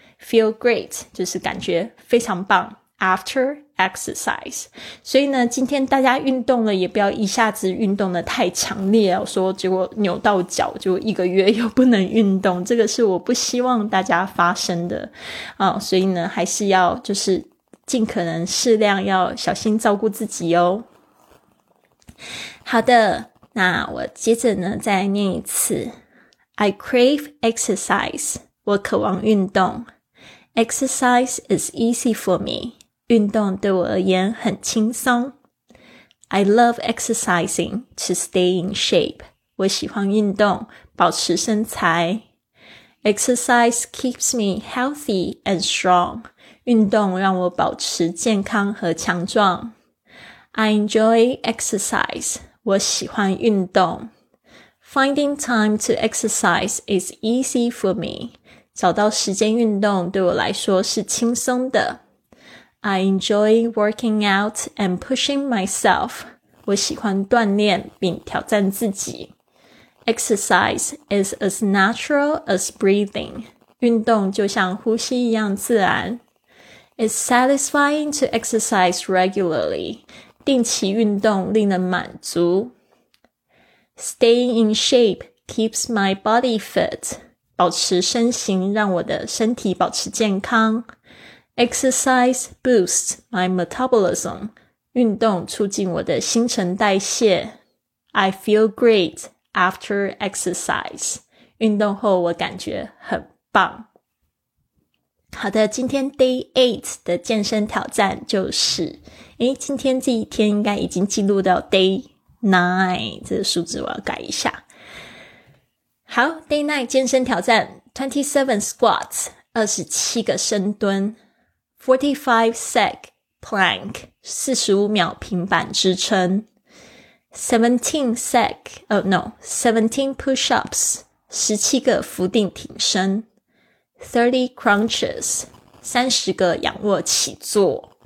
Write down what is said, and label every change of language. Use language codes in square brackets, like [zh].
[en] feel great [zh] 就是感觉非常棒， [en] after exercise, [zh] 所以呢今天大家运动了也不要一下子运动的太强烈哦，说结果扭到脚就一个月又不能运动，这个是我不希望大家发生的哦，所以呢还是要就是尽可能适量，要小心照顾自己哦。好的，那我接着呢再念一次。 [en] I crave exercise, [zh] 我渴望运动。 [en] Exercise is easy for me, [zh] 运动对我而言很轻松。 [en] I love exercising to stay in shape, [zh] 我喜欢运动保持身材。 [en] Exercise keeps me healthy and strong, [zh] 运动让我保持健康和强壮。 [en] I enjoy exercise, [zh] 我喜欢运动。 [en] Finding time to exercise is easy for me, [zh] 找到时间运动对我来说是轻松的。 [en] I enjoy working out and pushing myself. [zh] 我喜欢锻炼并挑战自己。 [en] Exercise is as natural as breathing. [zh] 运动就像呼吸一样自然。 [en] It's satisfying to exercise regularly. [zh] 定期运动令人满足。 [en] Staying in shape keeps my body fit. [zh] 保持身形让我的身体保持健康。 [en] Exercise boosts my metabolism. [zh] 运动促进我的新陈代谢。 [en] I feel great after exercise. [zh] 运动后我感觉很棒。好的，今天 Day 8的健身挑战就是，今天这一天应该已经进入到 Day 9，这个数字我要改一下。好， Day 9健身挑战 ,27 squats, 27个深蹲 ,45 sec plank, 45秒平板支撑 ,17 push-ups, 17个伏地挺身 ,30 crunches, 30个仰卧起坐。